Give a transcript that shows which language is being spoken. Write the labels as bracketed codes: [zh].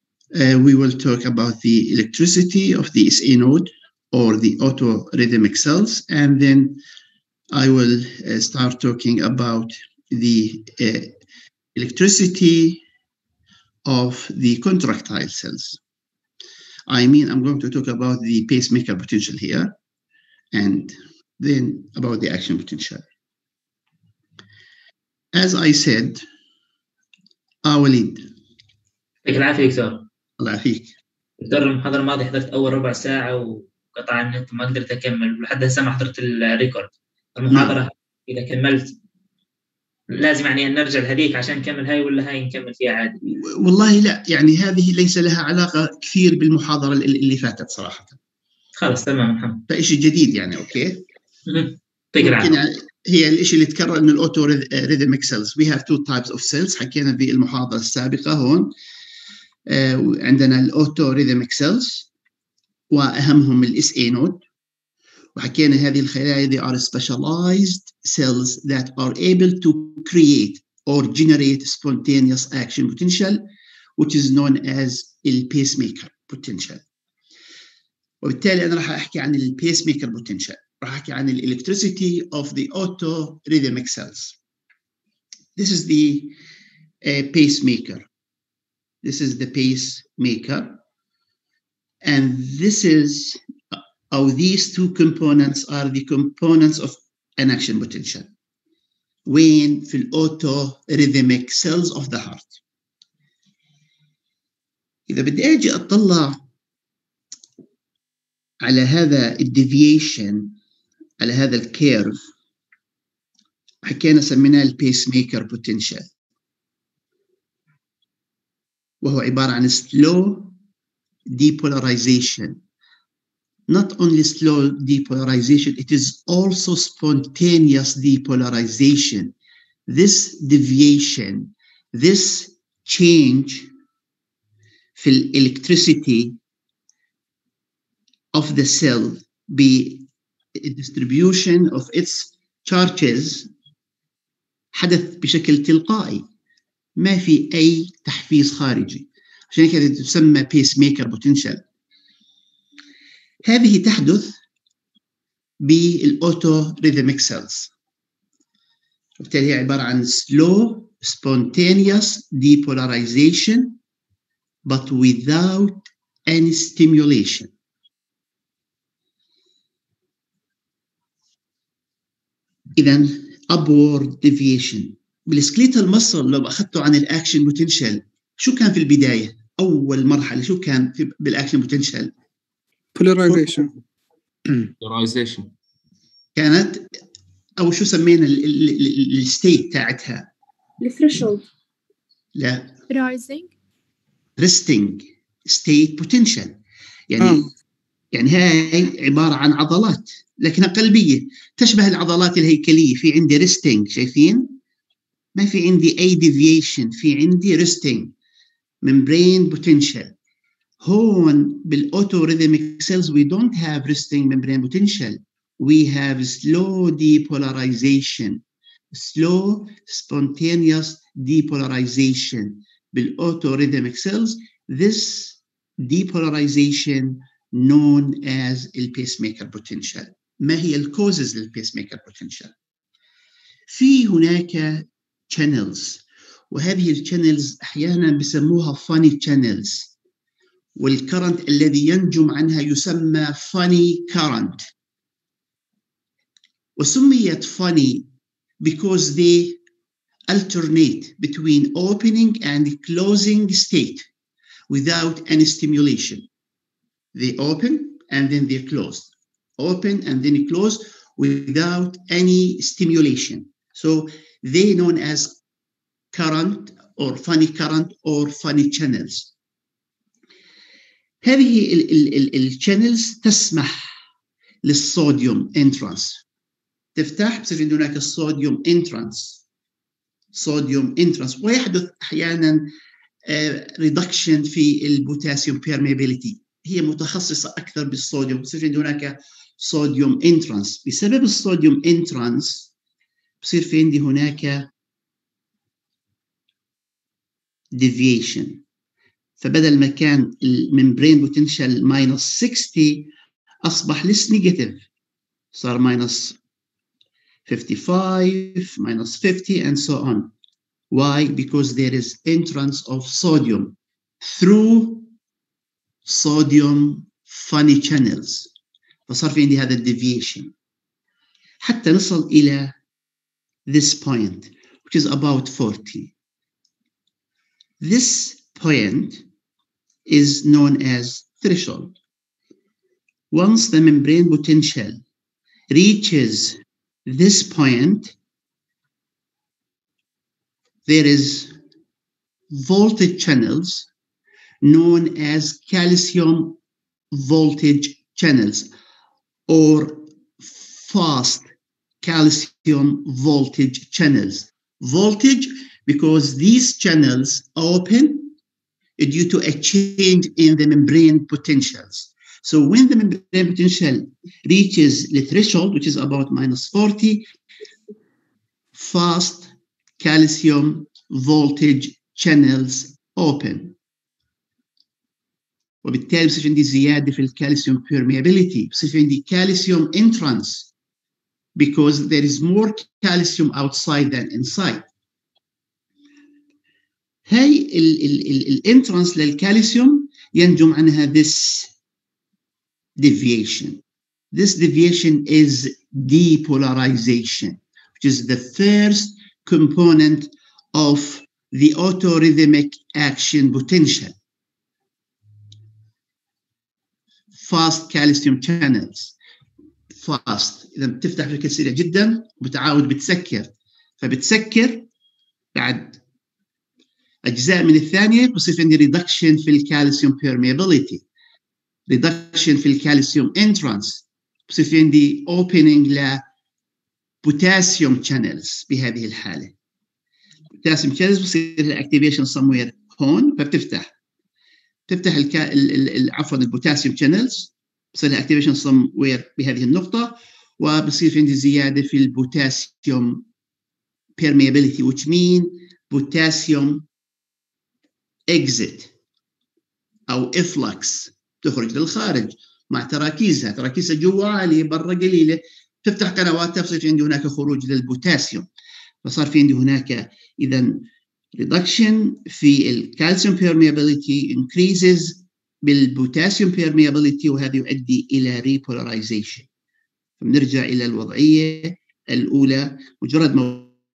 [en] We will talk about the electricity of the SA node or the autorhythmic cells, and then I will start talking about the electricity of the contractile cells. I mean, I'm going to talk about the pacemaker potential here and then about the action potential. As I said, أوليد [ar] يعطيك العافية دكتور. الله يعافيك دكتور. المحاضرة الماضية حضرت أول ربع ساعة وقطع النت ما قدرت أكمل، ولحد هسه ما حضرت الريكورد المحاضرة. إذا كملت لازم يعني نرجع لهذيك عشان نكمل هاي، ولا هاي نكمل فيها عادي؟ والله لا، يعني هذه ليس لها علاقة كثير بالمحاضرة اللي فاتت صراحة. خلص تمام محمد، فإشي جديد يعني. أوكي يعطيك العافية. هي الإشي اللي تكرر إنه الأوتوريثميك سيلز، [en] we have two types of cells، [ar] حكينا في المحاضرة السابقة هون. عندنا الأوتوريثميك سيلز وأهمهم الإس إي نود، وحكينا هذه الخلايا [en] they are specialized cells that are able to create or generate spontaneous action potential which is known as the pacemaker potential. [ar] وبالتالي أنا راح أحكي عن pacemaker potential، راح أحكي عن الإلكتريسيتي [en] of the autorhythmic cells. This is the pacemaker. This is the pacemaker. And this is, or these two components are the components of an action potential. وين في الأوتورhythmic cells of the heart. [ar] إذا بدي أجي أطلع على هذا الديفيشن، على هذا الكيرف، حكينا سميناه البيسميكر بوتنشال، وهو عبارة عن [en] slow depolarization. Not only slow depolarization, it is also spontaneous depolarization. This deviation, this change في الالكتريسيتي of the cell be a distribution of its charges [ar] حدث بشكل تلقائي، ما في أي تحفيز خارجي، عشان كده تسمى [en] pacemaker potential. [ar] هذه تحدث بالأوتورhythmic cells، وبالتالي هي عبارة عن [en] slow spontaneous depolarization but without any stimulation. [ar] إذن upward deviation بالسكليتال مصل، لو أخذته عن الأكشن بوتنشال شو كان في البداية؟ أول مرحلة شو كان في بالأكشن بوتنشال؟ [en] polarization. polarization [ar] كانت، أو شو سمينا الستيت تاعتها؟ الثريشولد. لا [en] rising [ar] resting state potential، يعني يعني هاي عبارة عن عضلات لكنها قلبية، تشبه العضلات الهيكلية، في عندي resting، شايفين؟ ما في عندي أي deviation، في عندي [en] resting membrane potential. هون بالأوتورhythmic cells we don't have resting membrane potential. We have slow depolarization. Slow spontaneous depolarization. بالأوتورhythmic cells this depolarization known as the pacemaker potential. [ar] ما هي الـ causes للـ pacemaker potential؟ في هناك channels، وهذه الـ channels أحياناً بسموها funny channels، والcurrent الذي ينجم عنها يسمى funny current، وسميت [en] funny because they alternate between opening and closing state without any stimulation. They open and then they close. open and then close without any stimulation. So they known as current or funny current or funny channels. [ar] هذه ال channels تسمح للصوديوم entrance. تفتح بس عند هناك الصوديوم entrance. صوديوم entrance ويحدث أحيانا reduction في البوتاسيوم permeability. هي متخصصة أكثر بالصوديوم. بس عند هناك صوديوم entrance. بسبب الصوديوم entrance بصير في عندي هناك deviation. فبدل ما كان الممبرين بوتنشال minus 60 أصبح [en] less negative. صار minus 55, minus 50 and so on. Why? Because there is entrance of sodium through sodium funny channels. [ar] فصار في عندي هذا deviation. حتى نصل إلى [en] this point, which is about 40. This point is known as threshold. Once the membrane potential reaches this point, there is voltage channels known as calcium voltage channels or fast calcium voltage channels. Voltage because these channels open due to a change in the membrane potentials. So when the membrane potential reaches the threshold, which is about minus 40, fast calcium voltage channels open. [ar] وبالتالي بصير عندي زيادة في calcium permeability. بصير عندي [en] calcium entrance because there is more calcium outside than inside. [ar] هاي ال entrance للكالسيوم ينجم عنها [en] this deviation. This deviation is depolarization, which is the first component of the autorhythmic action potential. Fast calcium channels. Fast. [ar] إذا بتفتح بشكل سريع جدا وبتعاود بتسكر. فبتسكر بعد أجزاء من الثانية بصير عندي reduction في الكالسيوم permeability. Reduction في الكالسيوم entrance. بصير عندي opening ل potassium channels بهذه الحالة. [en] Potassium channels بصير activation somewhere هون فبتفتح. [ar] تفتح عفوا potassium channels بصير activation somewhere بهذه النقطة وبصير عندي زيادة في potassium permeability [en] which mean potassium [ar] exit أو efflux تخرج للخارج مع تراكيزها تراكيزها جوا عالية برا قليلة تفتح قنواتها بصير عندي هناك خروج للبوتاسيوم فصار في عندي هناك إذا reduction في الكالسيوم permeability increases بالبوتاسيوم permeability وهذا يؤدي إلى repolarization فنرجع إلى الوضعية الأولى مجرد ما